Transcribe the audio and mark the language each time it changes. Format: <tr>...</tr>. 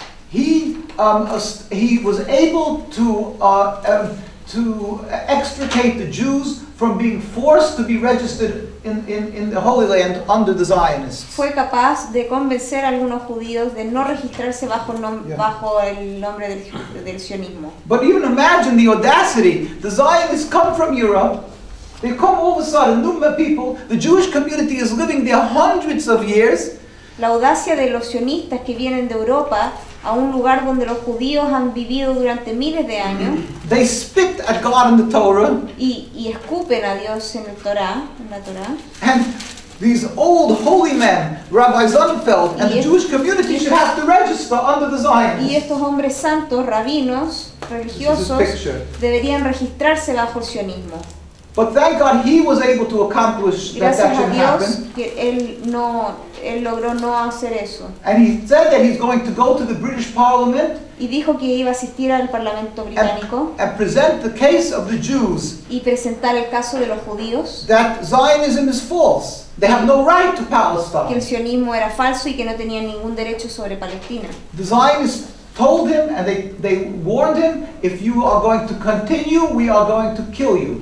<en>He was able to extricate the Jews from being forced to be registered in the Holy Land under the Zionists.</en> <es>Fue capaz de convencer a algunos judíos de no registrarse bajo el nombre del sionismo.</es> <en>But even imagine the audacity. The Zionists come from Europe. They come all of a sudden, new people. The Jewish community is living there hundreds of years.</en> <es>La audacia de los sionistas que vienen de Europa a un lugar donde los judíos han vivido durante miles de años.</es> <en>They spit at God in the Torah.</en> <es>Y escupen a Dios en el Torah, en la Torah.</es> <en>And these old holy men, Rabbi Zonnenfeld, and the Jewish community should have to register under the Zionists.</en> <es>Y estos hombres santos, rabinos, religiosos, deberían registrarse bajo el sionismo.</es> <en>But thank God he was able to accomplish that should happen.</en> <es>Que él logró no hacer eso.</es> <en>And he said that he's going to go to the British Parliament.</en> <es>Y dijo que iba a asistir al Parlamento británico.</es> <en>And present the case of the Jews.</en> <es>Y presentar el caso de los judíos.</es> <en>That Zionism is false. They have no right to Palestine.</en> <es>Que el sionismo era falso y que no tenían ningún derecho sobre Palestina.</es> <en>The Zionists told him and they warned him, if you are going to continue, we are going to kill you.</en>